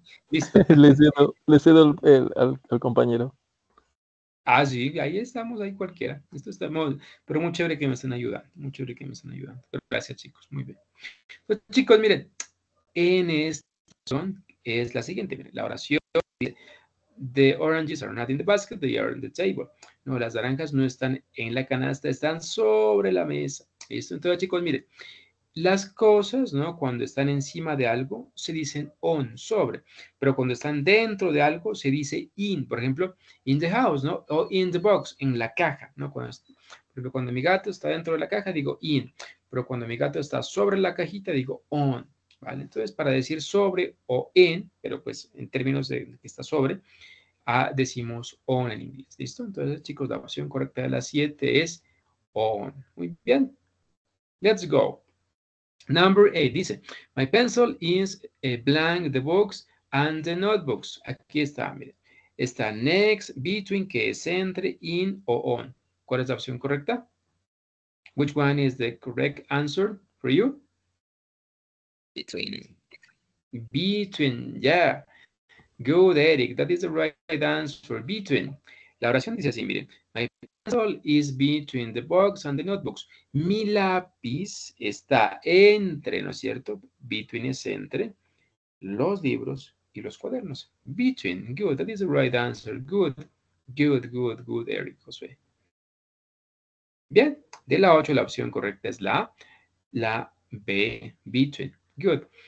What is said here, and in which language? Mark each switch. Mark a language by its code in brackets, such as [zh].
[es] Listo. Le cedo al compañero. Ah, sí, ahí estamos, ahí cualquiera. Esto estamos, pero muy chévere que me estén ayudando. Muy chévere que me estén ayudando. Pero gracias, chicos, muy bien. Pues, chicos, miren, en esta son es la siguiente. Miren, la oración dice, [en] the oranges are not in the basket, they are on the table. [es] No, las naranjas no están en la canasta, están sobre la mesa. ¿Listo? Entonces, chicos, miren, las cosas, ¿no? Cuando están encima de algo, se dicen on, sobre. Pero cuando están dentro de algo, se dice in. Por ejemplo, [en] in the house, [es] ¿no? O [en] in the box, [es] en la caja, ¿no? Cuando mi gato está dentro de la caja, digo in. Pero cuando mi gato está sobre la cajita, digo on, ¿vale? Entonces, para decir sobre o en, pero pues en términos de que está sobre, decimos on en inglés. ¿Listo? Entonces, chicos, la opción correcta de las 7 es on. Muy bien. [en] Let's go. Number 8 dice, my pencil is blank, the box and the notebooks. [es] Aquí está, miren. Está next, between, que es entre, in o on. ¿Cuál es la opción correcta? [en] Which one is the correct answer for you? Between. Between, yeah. Good, Eric. That is the right answer, between. [es] La oración dice así, miren. [en] My pencil is between the box and the notebooks. [es] Mi lápiz está entre, ¿no es cierto? Between es entre los libros y los cuadernos. [en] Between, good, that is the right answer. Good, good, good, good, Eric Josué. [es] Bien, de la 8 la opción correcta es la B, between. Good.